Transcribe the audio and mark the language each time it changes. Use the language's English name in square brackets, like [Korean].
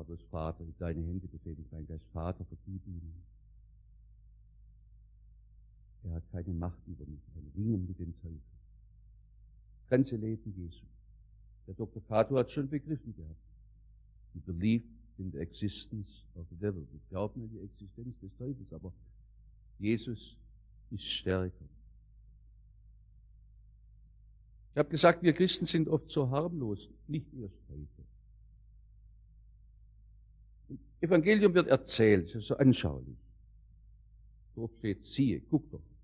[German] Vater, in deine Hände befehle ich mein Geist. Vater, vergib ihn. Er hat keine Macht über mich. Er ringt mit dem Teufel. Das ganze Leben Jesu. Der Dr. Cato hat schon begriffen gehabt. [English] He believed in the existence of the devil. [German] Wir glauben an die Existenz des Teufels, aber Jesus ist stärker. Ich habe gesagt, wir Christen sind oft so harmlos, nicht erst heute. Evangelium wird erzählt, das ist so anschaulich. Dort steht, siehe, guck doch.